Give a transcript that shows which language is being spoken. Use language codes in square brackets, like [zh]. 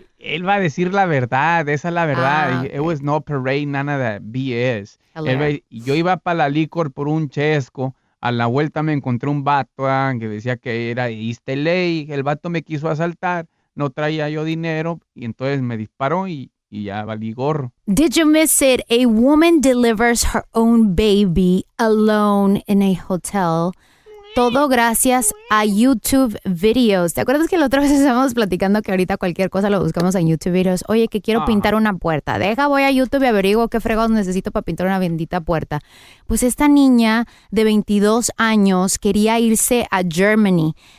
[es] Él va a decir la verdad, esa es la verdad. [en] Ah, okay. It was no parade, none of that BS. [es] Yo iba para la licor por un chesco, a la vuelta me encontré un vato que decía que era East LA, el vato me quiso asaltar, no traía yo dinero, y entonces me disparó y ya valí gorro. [en] Did you miss it? A woman delivers her own baby alone in a hotel. [es] Todo gracias a YouTube Videos. ¿Te acuerdas que la otra vez estábamos platicando que ahorita cualquier cosa lo buscamos en YouTube Videos? Oye, que quiero pintar una puerta. Deja, voy a YouTube y averiguo qué fregados necesito para pintar una bendita puerta. Pues esta niña de 22 años quería irse a Germany.